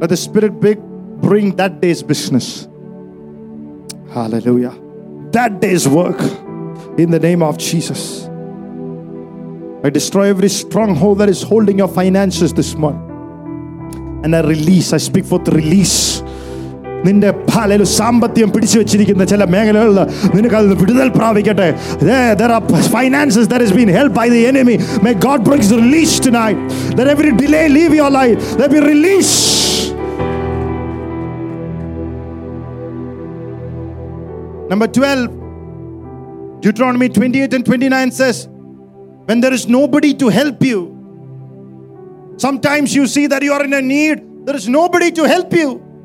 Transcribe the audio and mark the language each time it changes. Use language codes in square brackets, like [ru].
[en] Let the spirit bring that day's business. Hallelujah. That day's work in the name of Jesus. I destroy every stronghold that is holding your finances this month. And I release, I speak forth release. [ml] നിന്റെ പാലയിൽ സാമ്പത്തികം പിടിച്ചു വെച്ചിരിക്കുന്ന ചില മേഖലകളിൽ നിനക്ക് അത് വിടുതൽ പ്രാപിക്കട്ടെ. [en] There are finances that has been held by the enemy. May God bring it released tonight. That every delay leave your life. Let be released. Number 12. Deuteronomy 28 and 29 says, when there is nobody to help you, sometimes you see that you are in a need, there is nobody to help you.